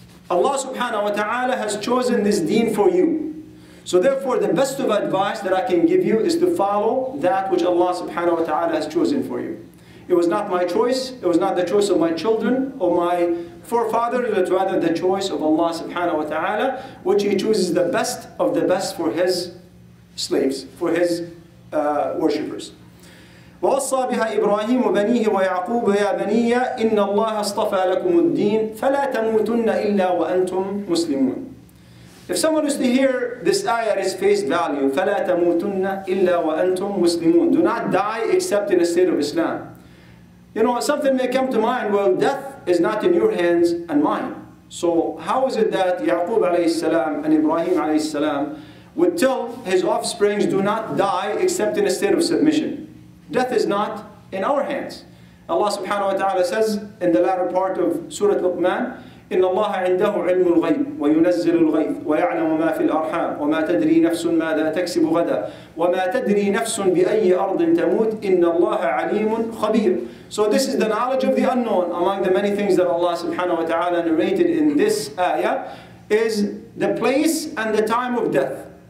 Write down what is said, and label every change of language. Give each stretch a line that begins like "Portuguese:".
English: Allah subhanahu wa ta'ala has chosen this deen for you. So therefore, the best of advice that I can give you is to follow that which Allah subhanahu wa ta'ala has chosen for you. It was not my choice, it was not the choice of my children or my forefathers, but rather the choice of Allah subhanahu wa ta'ala, which He chooses the best of the best for His slaves, for His worshippers.
Arabic: وَوَصَّى بِهَا إِبْرَاهِيمُ بَنِيهِ وَيَعْقُوبُ يَا بَنِيَّ إِنَّ اللَّهَ اصْطَفَى لَكُمُ الدِّينَ فَلَا تَمُوتُنَّ إِلَّا وَأَنْتُمْ مُسْلِمُونَ
English: If someone is to hear this ayah at its face value,
Arabic: فَلَا تَمُوتُنَّ إِلَّا وَأَنْتُمْ مُسْلِمُونَ
English: Do not die except in a state of Islam. You know, something may come to mind, well, death is not in your hands and mine. So how is it that Yaqub alayhi salam and Ibrahim alayhi salam would tell his offspring do not die except in a state of submission? Death is not in our hands. Allah subhanahu wa ta'ala says in the latter part of Surah Luqman,
Arabic: إِنَّ اللَّهَ عِنْدَهُ عِلْمُ الْغَيْبِ وَيُنَزِّلُ الْغَيْبِ وَيَعْلَمُ مَا فِي الْأَرْحَامِ وَمَا تَدْرِي نَفْسٌ مَاذَا تَكْسِبُ غَدًا وَمَا تَدْرِي نَفْسٌ بِأَيِّ أَرْضٍ تَمُوتُ إِنَّ اللَّهَ عَلِيمٌ خَبِيرٌ
English: So this is the knowledge of the unknown among the many things that Allah subhanahu wa ta'ala narrated in this ayah is the place and the time of death.